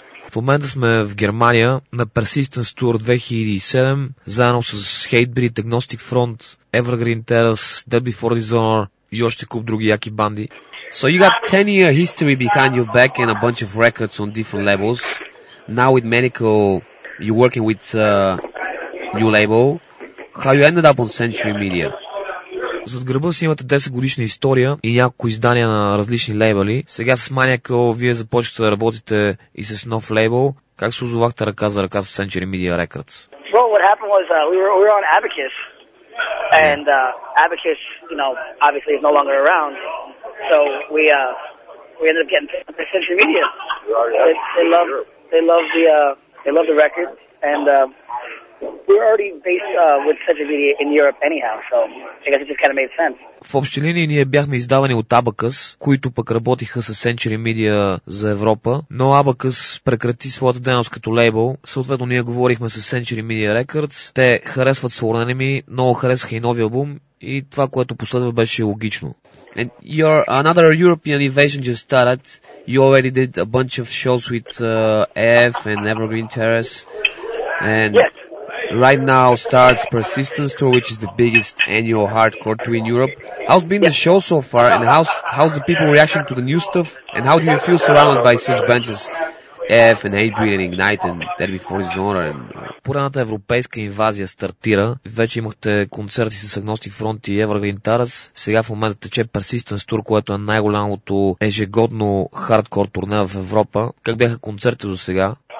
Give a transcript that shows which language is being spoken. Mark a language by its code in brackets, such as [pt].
[bg] В момента сме в Германия на Persistence Tour 2007, заедно с Hatebreed, Agnostic Front, Evergreen Terrace, Dead Before Dishonor и още куп други яки банди. [en] So you got 10-year history behind your back and a bunch of records on different levels. Now with Maniacal, you're working with new label. How you ended up on Century Media? [bg] Зад гърба си имате 10 годишна история и някои издания на различни лейбъли. Сега с Maniacal вие започвате да работите и с нов лейбъл. Как се озовахте ръка за ръка с Century Media Records? [en] Well, what happened was we were on Abacus. And Abacus, you know, obviously is no longer around. So we ended up getting picked up by Century Media. They love the record and we're already based with Century Media in Europe anyhow, so I guess it just kind of made sense. [bg] В общи линии ние бяхме издавани от Abacus, които пък работиха с Century Media за Европа, но Abacus прекрати своята дейност като лейбъл. Съответно ние говорихме с Century Media Records, те харесват Sworn Enemy, много харесаха и новия албум и това, което последва, беше логично. [en] And your another European invasion just started. You already did a bunch of shows with AF and Evergreen Terrace. And yes. Right now starts Persistence Tour, which is the biggest annual hardcore tour in Europe. How's been the show so far, and how's the people reaction to the new stuff, and how do you feel surrounded by such bands as F and Hatebreed and Ignite and Dead Before Dishonor? [bg] Поредната европейска инвазия стартира. Вече имахте концерти с Agnostic Front и Evergreen Taras. Сега в момента тече Persistence Tour, което е най-голямото ежегодно хардкор турне в Европа. Как бяха концертите до сега?